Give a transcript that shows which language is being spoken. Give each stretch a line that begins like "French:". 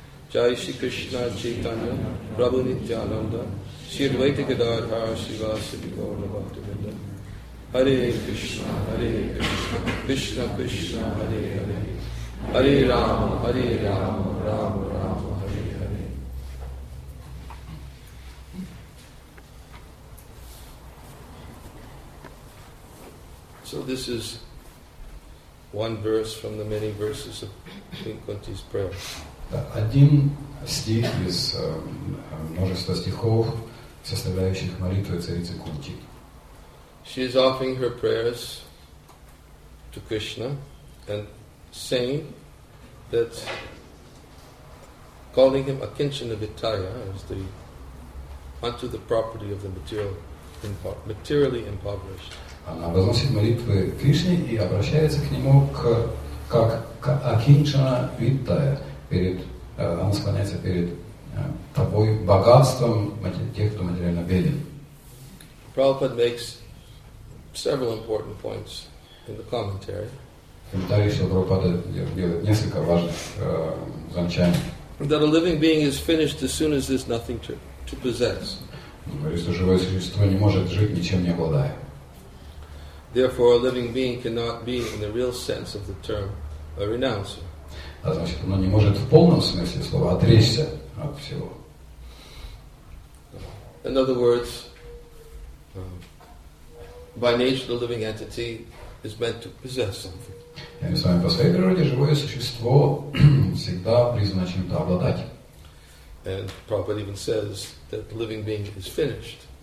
English: Jai Shri Krishna Chaitanya Prabhu Nityananda Shri Advaita Gadadhara Srivasati Gauravati Vinda Hare Krishna Hare Krishna Krishna Krishna Hare Hare Hare Rama Hare Rama Rama Rama So this is one verse from the many verses of Queen Kunti's prayer.
Russian: Один стих из множества стихов, составляющих молитву царицы Кунти.
English: She is offering her prayers to Krishna and saying that calling him Akinchana Vitaya is the unto the property of the materially impoverished.
Russian: Она возносит молитвы Кришне и обращается к нему как к Акинчана Виттая. Она склоняется перед тобой богатством тех, кто материально беден.
English: Prabhupada makes several important points in the commentary.
Russian: Комментарий Шрилы Прабхупады делает несколько важных замечаний.
English: That a living being is finished as soon as there's nothing to possess.
Russian: Говорит, что живое существо не может жить, ничем не обладая.
English: Therefore, a living being cannot be, in the real sense of the term, a renouncer.
Russian: А значит, оно не может в полном смысле слова отречься от всего.
English: In other words, by nature, the living entity is meant to possess something.
Russian: Я не знаю, по своей природе живое существо всегда призвано чем-то обладать.
English: And Prabhupada even says that the living being is finished.